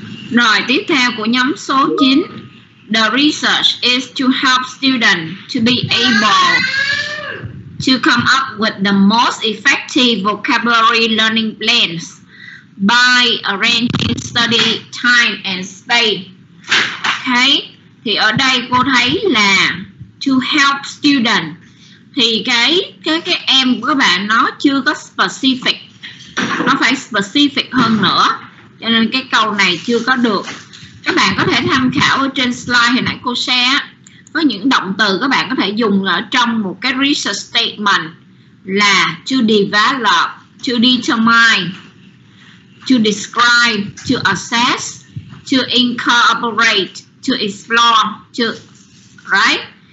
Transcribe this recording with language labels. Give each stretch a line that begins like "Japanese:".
Vietnamese: Rồi, tiếp theo của nhóm số 9.
English: The research is to help students to be able to come up with the most effective vocabulary learning plans by arranging study time and space. Okay.
Vietnamese: Thì ở đây cô thấy là
English: to help students.
Vietnamese: Thì cái em của các bạn nó chưa có specific. Nó phải specific hơn nữa. Cho nên cái câu này chưa có được. Các bạn có thể tham khảo ở trên slide hồi nãy cô share. Có những động từ các bạn có thể dùng ở trong một cái research statement là
English: to develop, to determine, to describe, to assess, to incorporate, to explore, to right.